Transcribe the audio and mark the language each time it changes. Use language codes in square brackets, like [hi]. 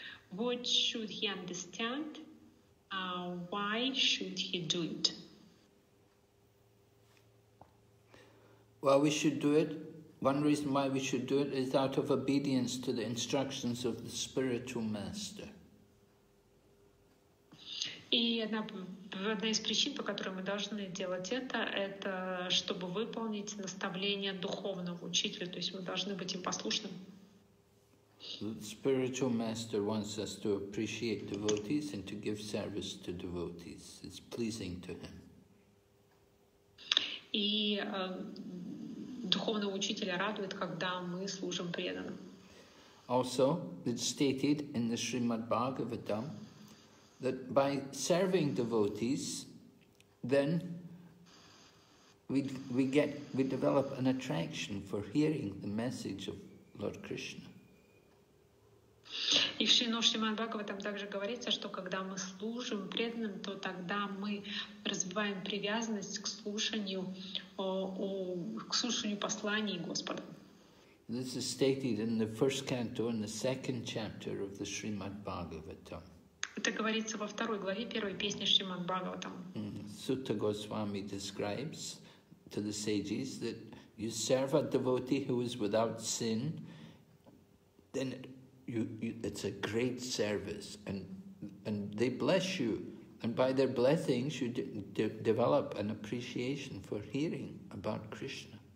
[en] What should he understand? Why should he do it? Well, we should do it. One reason why we should do it is out of obedience to the instructions of the spiritual master. [ru] И одна из причин, по которой мы должны делать это чтобы выполнить наставление духовного учителя, то есть мы должны быть им послушным. [en] Spiritual master wants us to appreciate devotees and to give service to devotees. It's pleasing to him. [ru] И духовного учителя радует, когда мы служим преданным. [en] Also, it's stated in the Srimad Bhagavatam that by serving devotees, then we develop an attraction for hearing the message of Lord Krishna. [ru] И в Шримад Бхагаватам также говорится, что когда мы служим преданным, то тогда мы развиваем привязанность к слушанию посланий Господа. [en] This is stated in the first canto and the second chapter of the Srimad Bhagavatam. [ru] Это говорится во второй главе первой песни Шримад Бхагаватам. [en] Sutta Goswami describes to the sages that you serve a devotee who is without sin, then it's a great service, and they bless you, and by their blessings you develop an appreciation for hearing about Krishna.